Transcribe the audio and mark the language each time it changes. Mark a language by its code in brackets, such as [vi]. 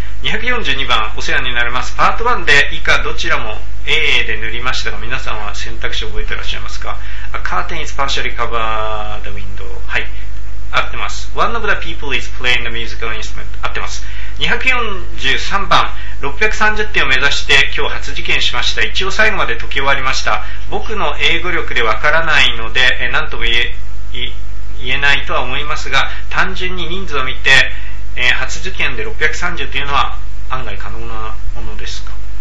[ja] 242番、お世話になります。パート1で以下どちらも AA で塗りましたが、皆さんは選択肢覚えてらっしゃいますか。 [en] カーテン is partially covered the window、 [ja] はい、合ってます。 [en] One of the people is playing the musical instrument、 [ja] 合ってます。 243番、630点を目指して今日初受験しました。一応最後まで解き終わりました。僕の英語力でわからないので、何とも言えないとは思いますが、単純に人数を見て、初受験で630というのは案外可能なものですか。